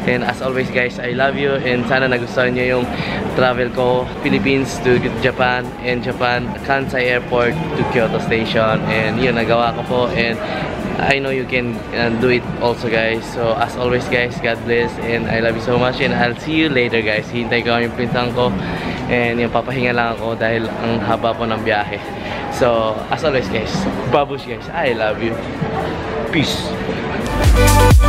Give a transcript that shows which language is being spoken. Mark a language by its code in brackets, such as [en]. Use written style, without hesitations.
[en] And as always, guys, I love you and [tl] sana nagustuhan nyo yung travel ko [en] Philippines to Japan and Japan Kansai Airport to Kyoto Station. And yun, [tl] nagawa ko po. [en] And I know you can do it also, guys. So as always, guys, God bless and I love you so much and I'll see you later, guys. [tl] Hintay ko yung pinsan ko and yung papahinga lang ako dahil ang haba po ng biyahe. [en] So as always, guys, babush, guys, I love you. Peace.